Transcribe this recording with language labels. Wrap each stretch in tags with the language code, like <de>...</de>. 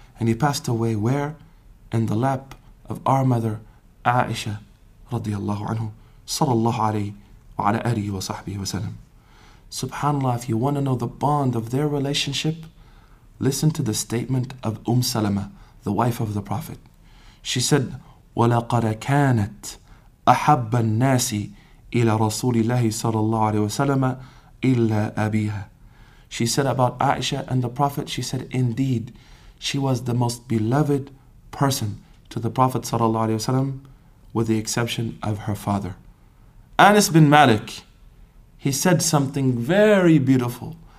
<en>And he passed away where? In the lap of our mother, Aisha radiallahu anhu, sallallahu alayhi wa ala alihi wa sahbihi wa sallam. SubhanAllah, if you want to know the bond of their relationship, listen to the statement of Salama, the wife of the Prophet. She said,</en> <ar>وَلَقَدَ كَانَتْ أَحَبَّ النَّاسِ إِلَى رَسُولِ اللَّهِ صَلَى اللَّهُ عَلَيْهِ وَسَلَمَ إِلَّا أَبِيهَا.</ar> <en>She said about Aisha and the Prophet, she said, indeed, she was the most beloved person to the Prophet sallallahu alayhi wasallam, with the exception of her father. Anas bin Malik, he said something very beautiful.</en>